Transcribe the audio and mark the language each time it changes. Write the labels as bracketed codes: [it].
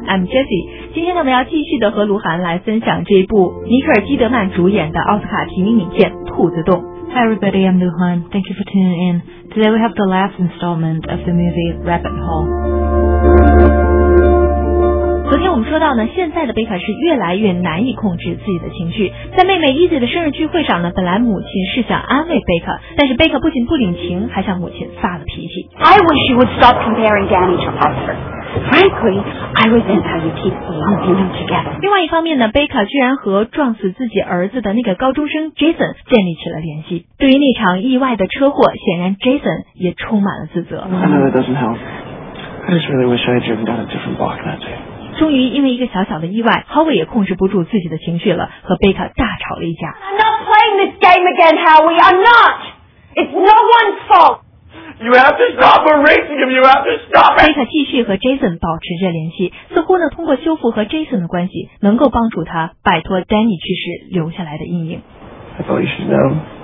[en] I'm Jessie， [zh] 今天呢，我们要继续的和卢涵来分享这部尼可尔基德曼主演的奥斯卡提名影片《兔子洞》。 [en] Hi everybody, I'm Luhan. Thank you for tuning in. Today we have the last installment of the movie Rabbit Hole. [zh] 昨天我们说到呢，现在的贝卡是越来越难以控制自己的情绪。在妹妹伊姐的生日聚会上呢，本来母亲是想安慰贝卡，但是贝卡不仅不领情，还向母亲发了脾气。 [en] I wish you would stop comparing Danny to Oscar. Frankly, I resent how you keep lumping them together. [zh] 另外一方面呢，贝卡居然和撞死自己儿子的那个高中生 Jason 建立起了联系。对于那场意外的车祸，显然 Jason 也充满了自责。 [en] I know that doesn't help. I just really wish I had driven down a different block that day. [zh] 终于因为一个小小的意外， Howie 也控制不住自己的情绪了，和贝卡大吵了一架。 [en] I'm not playing this game again, Howie. I'm not. It's no one's fault. You have to stop erasing him. You have to stop it. [zh] 贝卡继续和 Jason 保持着联系，似乎呢通过修复和 Jason 的关系，能够帮助他摆脱 Danny 去世留下来的阴影。 [en] I thought you should know.